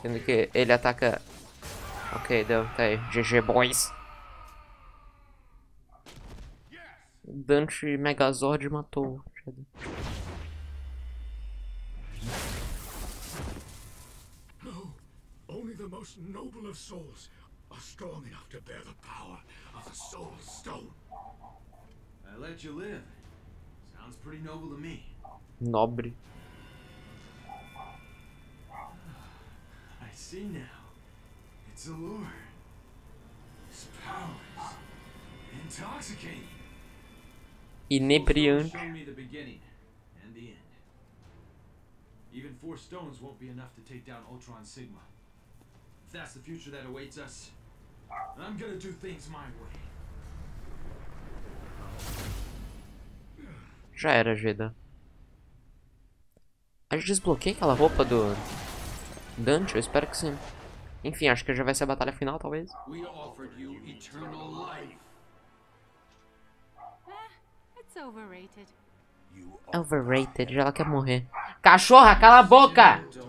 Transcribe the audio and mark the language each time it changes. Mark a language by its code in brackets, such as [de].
[pt] Sendo que ele ataca... Ok, deu, tá aí. [en] GG, boys. [pt] Dante Megazord matou. Não, apenas os mais nobres de souls. [en] Are strong enough to bear the power of the Soul Stone. I let you live. Sounds pretty noble to me. [pt] Nobre. [en] I see now. It's a lure. His powers. Intoxicating. [pt] Inebriante. [en] Show me the beginning and the end. Even four stones won't be enough to take down Ultron Sigma. If that's the future that awaits us. I'm gonna do things my way. [pt] Já era, Geda. A gente desbloqueia aquela roupa do Dante? Eu espero que sim. Enfim, acho que já vai ser a batalha final, talvez. [en] We offered you eternal life. It's overrated. Overrated, [pt] ela quer morrer. Cachorra, cala a boca!